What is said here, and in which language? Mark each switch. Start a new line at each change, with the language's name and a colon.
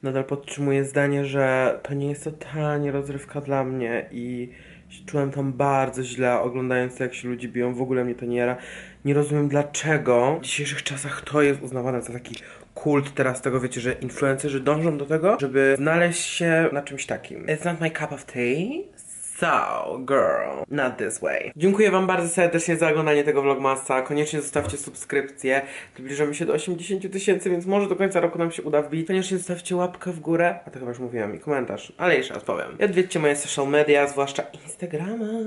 Polish: Nadal podtrzymuję zdanie, że to nie jest totalnie rozrywka dla mnie i czułem tam bardzo źle, oglądając to, jak się ludzie biją. W ogóle mnie to nie jara. Nie rozumiem, dlaczego w dzisiejszych czasach to jest uznawane za taki kult teraz tego, wiecie, że influencerzy dążą do tego, żeby znaleźć się na czymś takim.
English: It's not my cup of tea, so girl, not this way.
Polish: Dziękuję wam bardzo serdecznie za oglądanie tego vlogmasa, koniecznie zostawcie subskrypcję, zbliżamy się do 80 tysięcy, więc może do końca roku nam się uda wbić. Koniecznie zostawcie łapkę w górę, a to chyba już mówiłam i komentarz, ale jeszcze raz powiem. I odwiedźcie moje social media, zwłaszcza Instagrama.